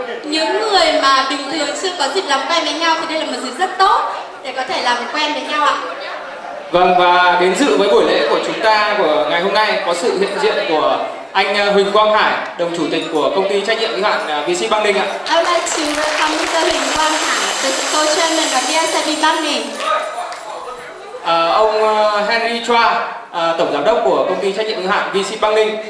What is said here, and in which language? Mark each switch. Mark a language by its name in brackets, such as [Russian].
[Vietnamese] Những người mà bình thường chưa có dịp làm quen với nhau thì đây là một dịp rất tốt để có thể làm quen với nhau ạ. Vâng, và đến dự với buổi lễ của chúng ta của ngày hôm nay có sự hiện diện của anh Huỳnh Quang Hải, đồng chủ tịch của công ty trách nhiệm hữu hạn VC Bắc Ninh ạ. [English] I would like to welcome Mr. Huỳnh Quang Hải, the co-chairman of VSIP Bắc Ninh. [Vietnamese] Ông Henry Chua, tổng giám đốc của công ty trách nhiệm hữu hạn VC Bắc Ninh.